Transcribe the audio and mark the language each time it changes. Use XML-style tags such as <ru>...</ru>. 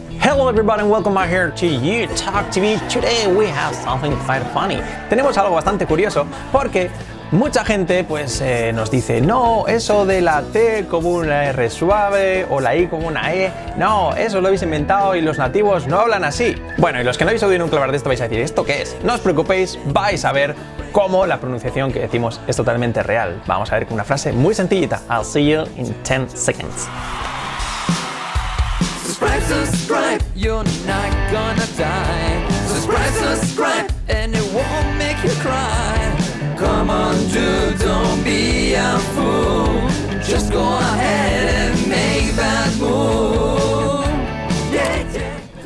<en>Hello everybody and welcome out here to You Talk TV. Today we have something quite funny.</en> <es>Tenemos algo bastante curioso porque mucha gente pues nos dice, no, eso de la T como una R suave o la I como una E, no, eso lo habéis inventado y los nativos no hablan así. Bueno, y los que no habéis oído nunca hablar de esto vais a decir, ¿esto qué es? No os preocupéis, vais a ver cómo la pronunciación que decimos es totalmente real. Vamos a ver con una frase muy sencillita.</es> <en>I'll see you in 10 seconds. Subscribe, you're not gonna die. Subscribe, subscribe, and it won't make you cry. Come on, dude, don't be a fool. Just go ahead and make that move. Yeah, yeah.</en>